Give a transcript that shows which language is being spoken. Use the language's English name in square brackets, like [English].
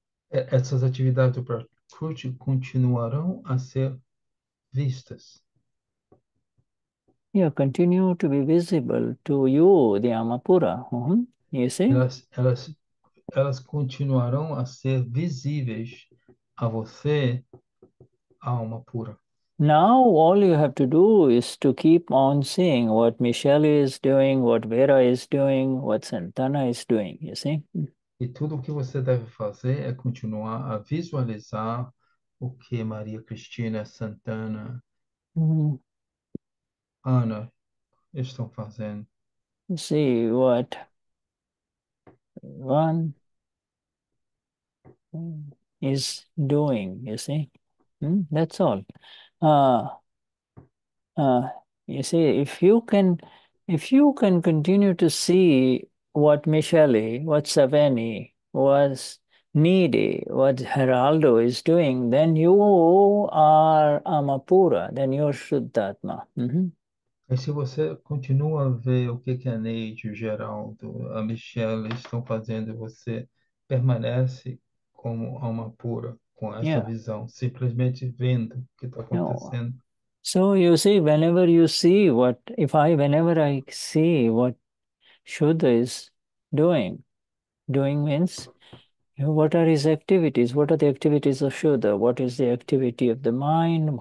[Portuguese] Essas atividades do prakruti continuarão a ser vistas. [English] Yeah, continue to be visible to you, the Amapura. You see? [Portuguese] Elas continuarão a ser visíveis a você, a Amapura. [English] Now all you have to do is to keep on seeing what Michelle is doing, what Vera is doing, what Santana is doing, you see? [Portuguese] E tudo o que você deve fazer é continuar a visualizar o que Maria Cristina, Santana, Ana estão fazendo. [English] See what one is doing, you see? That's all. You see, if you can continue to see what Michele, what Saveni, what Needy, what Geraldo is doing, then you are Amapura, then you are Shuddhatma. [Portuguese] E se você continua a ver o que a Neide, o Geraldo, a Michelle estão fazendo, você permanece como alma pura com essa [English] Yeah. [Portuguese] visão, simplesmente vendo o que está [English] No. [Portuguese] acontecendo. [English] So you see, whenever you see what, if I, whenever I see what Shuddha is doing means What are his activities? What are the activities of Shuddha? What is the activity of the mind?